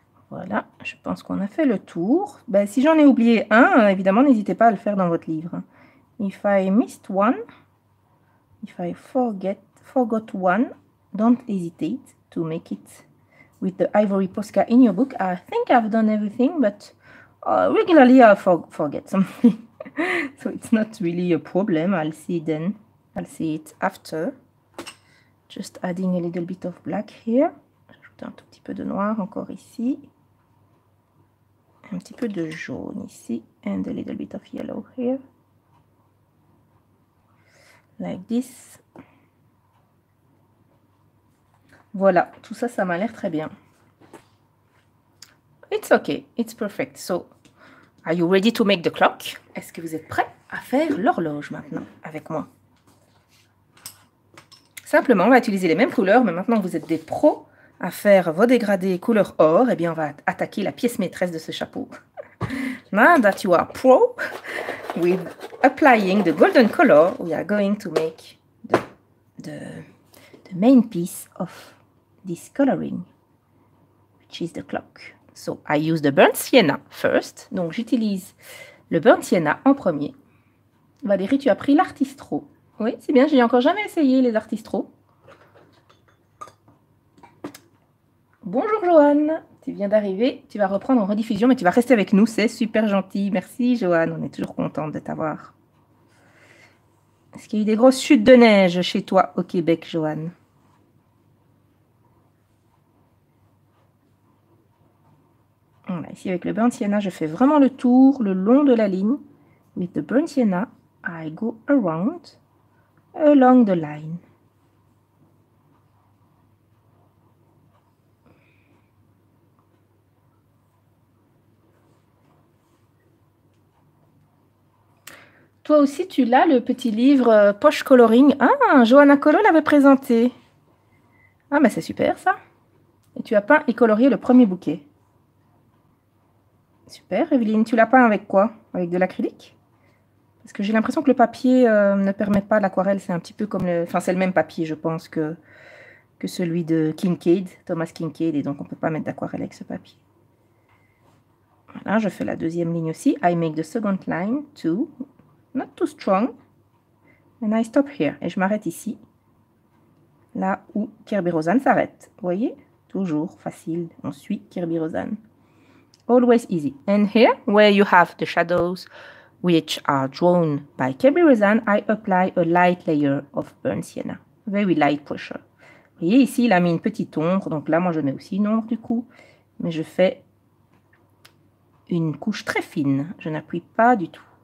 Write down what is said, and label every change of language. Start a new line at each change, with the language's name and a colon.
French: Voilà, je pense qu'on a fait le tour. Ben, si j'en ai oublié un, évidemment, n'hésitez pas à le faire dans votre livre.
English: If I missed one, if I forgot one, don't hesitate to make it with the ivory Posca in your book. I think I've done everything, but regularly I forget something. So it's not really a problem. I'll see then. I'll see it after. Just adding a little bit of black here.
French: J'ajoute un tout petit peu de noir encore ici. Un petit peu de jaune ici,
English: and a little bit of yellow here, like this.
French: Voilà, tout ça, ça m'a l'air très bien.
English: It's okay, it's perfect. So, are you ready to make the clock?
French: Est-ce que vous êtes prêt à faire l'horloge maintenant avec moi? Simplement, on va utiliser les mêmes couleurs, mais maintenant que vous êtes des pros à faire vos dégradés couleur or, et eh bien on va attaquer la pièce maîtresse de ce chapeau. Now that you are pro with applying the golden color, we are going to make the main piece of this coloring, which is the clock.
English: So I use the burnt sienna first.
French: Donc j'utilise le burnt sienna en premier. Valérie, tu as pris l'artistro. Oui, c'est bien, j'ai encore jamais essayé les artistro. Bonjour Joanne, tu viens d'arriver, tu vas reprendre en rediffusion, mais tu vas rester avec nous, c'est super gentil. Merci Joanne, on est toujours contente de t'avoir. Est-ce qu'il y a eu des grosses chutes de neige chez toi au Québec, Joanne? Voilà, ici avec le burnt sienna, je fais vraiment le tour, le long de la ligne.
English: With the burnt sienna, I go around, along the line.
French: Toi aussi, tu l'as, le petit livre Poche Coloring. Ah, Johanna Colo l'avait présenté. Ah, mais c'est super, ça. Et tu as peint et colorié le premier bouquet. Super, Evelyne. Tu l'as peint avec quoi? Avec de l'acrylique? Parce que j'ai l'impression que le papier ne permet pas l'aquarelle. C'est un petit peu comme le... Enfin, c'est le même papier, je pense, que celui de Kincaid, Thomas Kincaid. Et donc, on ne peut pas mettre d'aquarelle avec ce papier. Voilà, je fais la deuxième ligne aussi.
English: I make the second line, too. Not too strong, and I stop here.
French: Et je m'arrête ici, là où Kirby Roseanne s'arrête. Vous voyez? Toujours facile. On suit Kirby Roseanne.
English: Always easy. And here, where you have the shadows, which are drawn by Kirby Roseanne, I apply a light layer of burnt sienna. Very light pressure.
French: Vous voyez ici, il a mis une petite ombre. Donc là, moi, je mets aussi une ombre du coup. Mais je fais une couche très fine. Je n'appuie pas du tout.